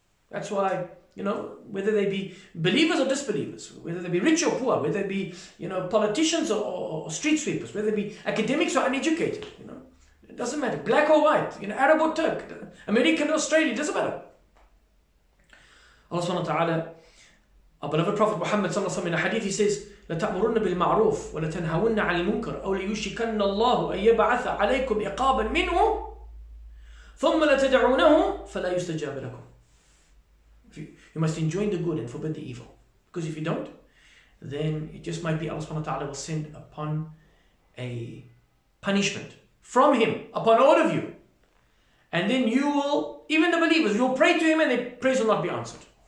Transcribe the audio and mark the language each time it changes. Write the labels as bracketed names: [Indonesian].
[English] That's why, whether they be believers or disbelievers, whether they be rich or poor, whether they be, politicians or street sweepers, whether they be academics or uneducated, it doesn't matter. Black or white, Arab or Turk, American or Australian, it doesn't matter. Allah subhanahu wa ta'ala, our beloved Prophet Muhammad sallallahu alaihi wasallam, in a hadith, he says, [Arabic] لَتَأْمُرُنَّ بِالْمَعْرُوفِ وَلَتَنْهَوُنَّ عَنِ الْمُنْكَرِ أَوْ لَيُشْرِكَنَّ اللَّهُ أَنْ يَبْعَثَ عَلَيْكُمْ إِقَابًا مِنْهُ ثُمَّ لَتَدْعُونَهُ فَلَا يُسْتَجَابَ لَكُمْ. [English] You must enjoin the good and forbid the evil. Because if you don't, then it just might be Allah subhanahu wa ta'ala will send upon a punishment from Him upon all of you. And then you will, even the believers, you'll pray to Him and their prayers will not be answered.